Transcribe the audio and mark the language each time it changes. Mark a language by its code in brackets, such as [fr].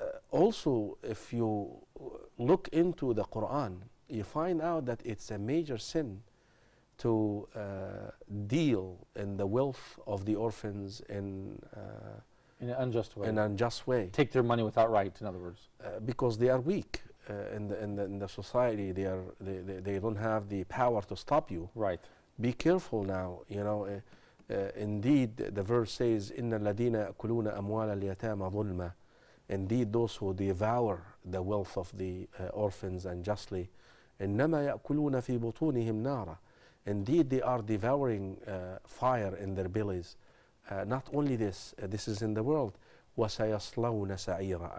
[en] Also, if you look into the Quran, you find out that it's a major sin to deal in the wealth of the orphans in an unjust way. Take their money without right, in other words. Because they are weak in the society, they don't have the power to stop you. Right. Be careful now, you know. Indeed, the verse says, [ar] إِنَّ الَّذِينَ أَكُلُونَ أَمْوَالَ الْيَتَامَ ظُلْمًا. [en] Indeed, those who devour the wealth of the orphans unjustly, [ar] إِنَّمَا يَأْكُلُونَ فِي بُطُونِهِمْ نَارًا. [en] Indeed, they are devouring fire in their bellies. Not only this, this is in the world. [ar] وَسَيَصْلَوْنَ سَعِيرًا.